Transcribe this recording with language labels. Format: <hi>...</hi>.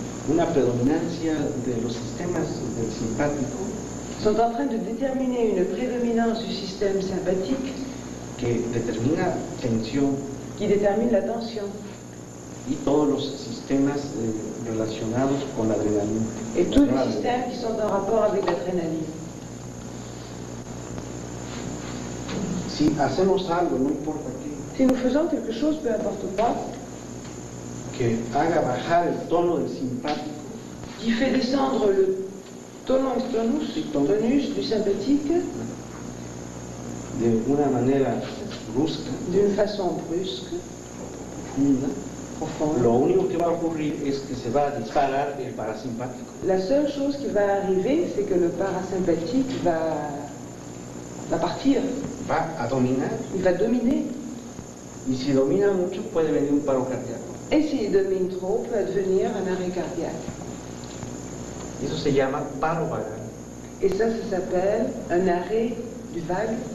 <es>Una predominancia de los sistemas del simpático.</es> <fr>Sont en train de déterminer une prédominance du système sympathique.</fr> <es>Que determina tensión.</es> <fr>Qui détermine la tensión.</fr> <es>Y todos los sistemas relacionados con la adrenalina.</es> <fr>Et tous les systèmes qui sont en rapport avec l'adrénaline.</fr> <es>Si hacemos algo, no importa qué.</es> <fr>Si nous faisons quelque chose, peu importe quoi.</fr> <es>Que haga bajar el tono del simpático.</es> <fr>Qui fait descendre le tonus, tonus du sympathique.</fr> <es>De una manera brusca.</es> <fr>D'une façon brusque. Profonde.</fr> <es>Lo único que va a ocurrir es que se va a disparar el parasimpático.</es> <fr>La seule chose qui va arriver, c'est que le parasympathique va partir.</fr> <es>Va a dominar.</es> <fr>Il va dominer.</fr> <es>Y si domina mucho, puede venir un paro cardíaco.</es> <fr>Et s'il domine trop, peut devenir un arrêt cardiaque.</fr> <es>Eso se llama paro vagal.</es> <fr>Et ça s'appelle un arrêt du vagal.</fr>